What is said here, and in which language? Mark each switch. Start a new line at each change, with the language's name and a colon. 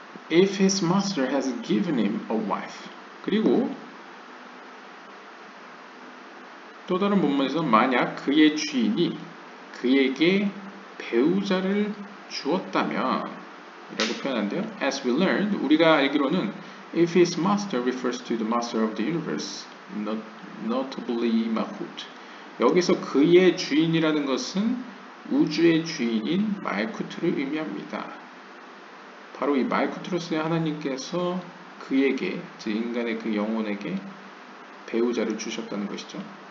English: If his master has given him a wife.
Korean: 그리고 또 다른 본문에서 만약 그의 주인이 그에게 배우자를 주었다면 이라고 표현한대요.
English: As we learned,
Korean: 우리가 알기로는
English: If his master refers to the master of the universe, notably Malkut.
Korean: 여기서 그의 주인이라는 것은 우주의 주인인 말쿠트를 의미합니다. 바로 이 말쿠트로서의 하나님께서 그에게, 즉 인간의 그 영혼에게 배우자를 주셨다는 것이죠.